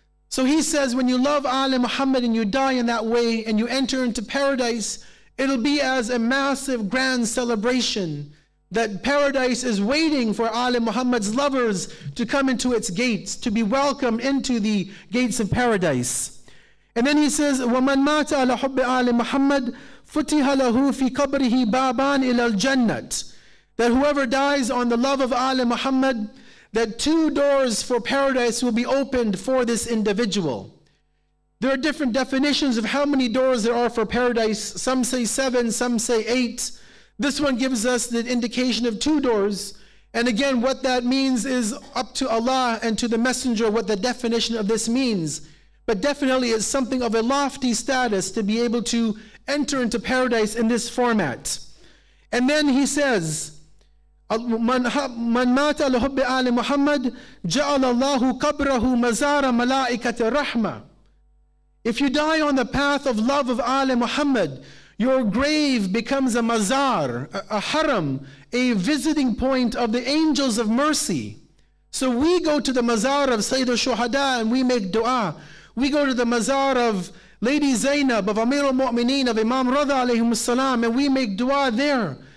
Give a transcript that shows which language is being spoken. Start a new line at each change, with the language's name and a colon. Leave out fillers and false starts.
English: So he says, when you love Ali Muhammad and you die in that way and you enter into paradise, it'll be as a massive grand celebration that paradise is waiting for Ali Muhammad's lovers to come into its gates, to be welcomed into the gates of paradise. And then he says,
Arabic: وَمَنْ مَاتَ عَلَى حُبِّ عَلِ مُحَمَّدْ فُتِحَ لَهُ فِي قَبْرِهِ بَابًا إِلَى الْجَنَّةِ.
English: That whoever dies on the love of Ali Muhammad, that two doors for paradise will be opened for this individual. There are different definitions of how many doors there are for paradise. Some say seven, some say eight. This one gives us the indication of two doors. And again, what that means is up to Allah and to the Messenger what the definition of this means. But definitely it's something of a lofty status to be able to enter into paradise in this format. And then he says,
Arabic: مَنْ مَاتَ لَحُبِّ عَلِ مُحَمَّدْ جَعَلَ اللَّهُ قَبْرَهُ مَزَارَ مَلَائِكَةِ الرَّحْمَةِ.
English: If you die on the path of love of Ali Muhammad, your grave becomes a mazar, a haram, a visiting point of the angels of mercy. So we go to the mazar of Sayyid al-Shuhada and we make dua. We go to the mazar of Lady Zainab, of Amir al-Mu'mineen, of Imam Radha alayhim salam, and we make dua there.